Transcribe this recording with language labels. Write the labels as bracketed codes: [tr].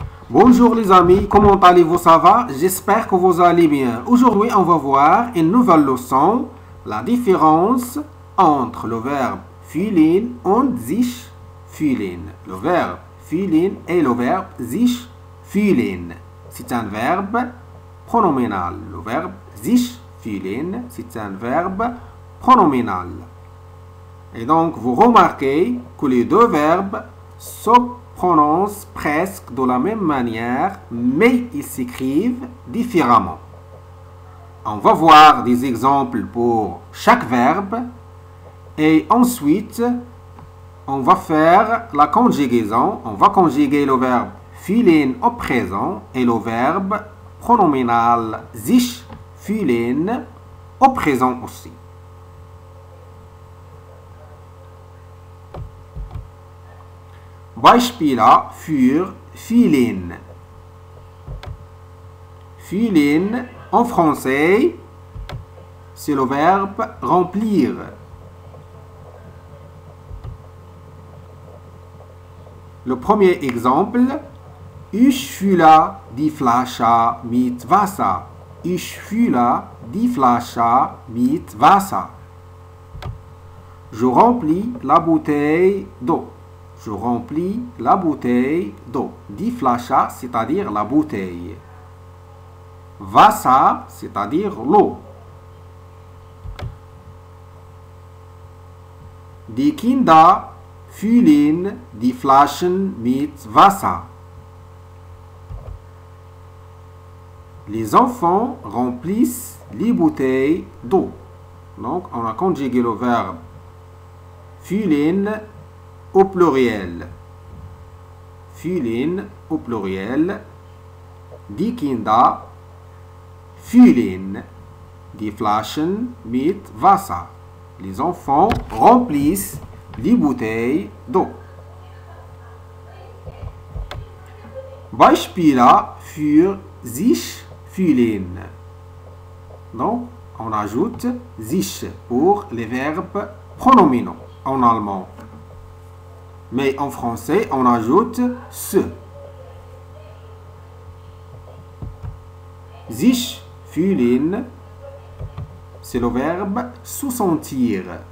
[fr] Bonjour les amis, comment allez-vous? Ça va? J'espère que vous allez bien. Aujourd'hui, on va voir une nouvelle leçon, la différence entre le verbe fühlen und sich fühlen. Le verbe fühlen et le verbe sich fühlen. C'est un verbe pronominal. Le verbe sich fühlen, c'est un verbe pronominal. Et donc, vous remarquez que les deux verbes se prononcent presque de la même manière, mais ils s'écrivent différemment. On va voir des exemples pour chaque verbe et ensuite on va faire la conjugaison. On va conjuguer le verbe fühlen au présent et le verbe pronominal sich fühlen au présent aussi. [de] Beispiele für fühlen. [fr] Fühlen en français, c'est le verbe remplir. Le premier exemple, [de] ich fühle die Flasche mit Wasser. Ich fühle die Flasche mit Wasser. [fr] Je remplis la bouteille d'eau. Je remplis la bouteille d'eau. Die Flasche, c'est-à-dire la bouteille. Wasser, c'est-à-dire l'eau. [de] Die Kinder füllen die Flaschen mit Wasser. [fr] Les enfants remplissent les bouteilles d'eau. Donc, on a conjugué le verbe füllen au pluriel. Fühlen au pluriel. [de] Die Kinder füllen die Flaschen mit Wasser. [fr] Les enfants remplissent les bouteilles d'eau. [de] Beispiele für sich fühlen. [fr] Donc, on ajoute sich pour les verbes pronominaux en allemand. Mais en français, on ajoute ce. Sich fühlen, c'est le verbe se sentir.